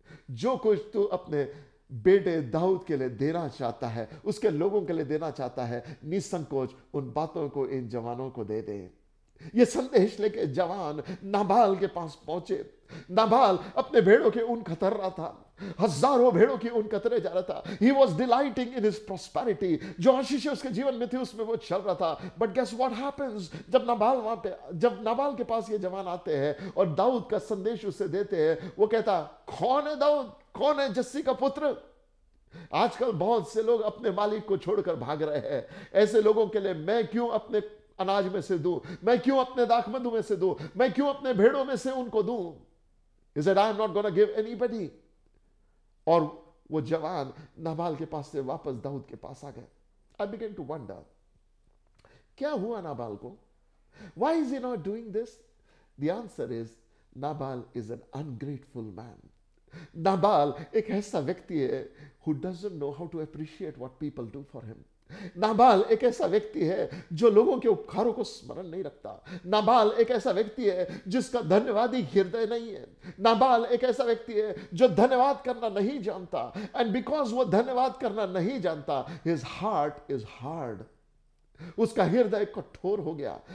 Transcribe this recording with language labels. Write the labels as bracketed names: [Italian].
[Hindi] जो कुछ तू अपने बेटे दाऊद के लिए देना चाहता है, उसके लोगों के लिए देना चाहता है, निसंकोच उन बातों को इन जवानों को दे दे। ये संदेश लेके जवान नाबाल के पास पहुंचे। नाबाल अपने भेड़ों के ऊन कतर रहा था, हजारों भेड़ों की ऊन कतरे जा रहा था। [English] He was delighting in his prosperity. [Hindi] जो आशीष उसके जीवन में थी उसमें वो चल रहा था। [English] But guess what happens? [Hindi] जब नाबाल वहां पे, जब नाबाल के पास ये जवान आते हैं और दाऊद का संदेश उसे देते हैं, वो कहता, कौन है दाऊद? कौन है जस्सी का पुत्र? आजकल बहुत से लोग अपने मालिक को छोड़कर भाग रहे हैं। ऐसे लोगों के लिए मैं क्यों अपने अनाज में से दूं? मैं क्यों अपने दाखमधु में से दूं? मैं क्यों अपने भेड़ों में से उनको दूं? [English] He said, I am not going to give anybody. [Hindi] और वो जवान नाबाल के पास से वापस दाऊद के पास आ गए। [English] I began to wonder, [Hindi] क्या हुआ नाबाल को? [English] Why is he not doing this? The answer is, Nabal is an ungrateful man. Nabal [Hindi] एक ऐसा व्यक्ति है [English] who doesn't know how to appreciate what people do for him. [Hindi] Nabal एक ऐसा व्यक्ति है जो लोगों के उपकारों को स्मरण नहीं रखता। नाबाल एक ऐसा व्यक्ति है जिसका धन्यवादी हृदय नहीं है। नाबाल एक ऐसा व्यक्ति है जो धन्यवाद करना नहीं जानता। [English] and because [Hindi] वो धन्यवाद करना नहीं जानता, [English] his heart is hard, [Hindi] उसका हृदय कठोर हो गया।